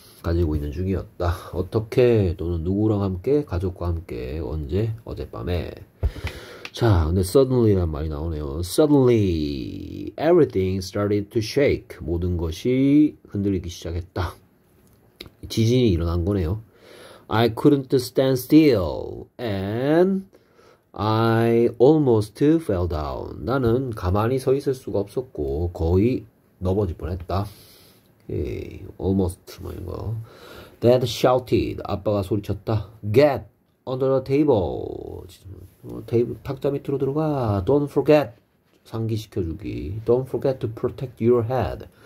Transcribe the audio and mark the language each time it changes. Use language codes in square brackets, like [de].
[ko] 가지고 있는 중이었다. 어떻게? 너는 누구랑 함께? 가족과 함께? 언제? 어젯밤에. 자, 근데 suddenly란 말이 나오네요. [en] Suddenly, everything started to shake. [ko] 모든 것이 흔들리기 시작했다. 지진이 일어난 거네요. [en] I couldn't stand still and I almost fell down. [ko] 나는 가만히 서 있을 수가 없었고 거의 넘어질 뻔했다. [en] Okay, almost [ko] 뭐 이런 거. [en] Dad shouted. [ko] 아빠가 소리쳤다. [en] Get under the table. [ko] 테이블 탁자 밑으로 들어가. [en] Don't forget [ko] 상기시켜주기. [en] Don't forget to protect your head.